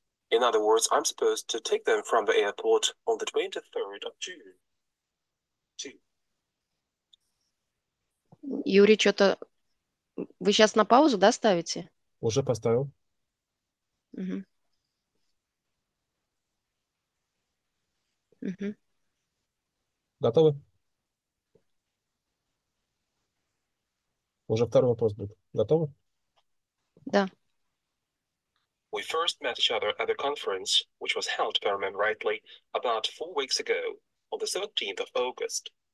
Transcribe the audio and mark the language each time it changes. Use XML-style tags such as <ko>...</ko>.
<en>In other words, I'm supposed to take them from the airport on the 23rd of June.</en> <ru>Юрий, что-то... Вы сейчас на паузу, да, ставите? Уже поставил. Готовы? Уже второй вопрос будет. Готовы? Да.</ru> <en>We first met each other at a conference, which was held, if I remember rightly, about 4 weeks ago, on the 17th of August.</en>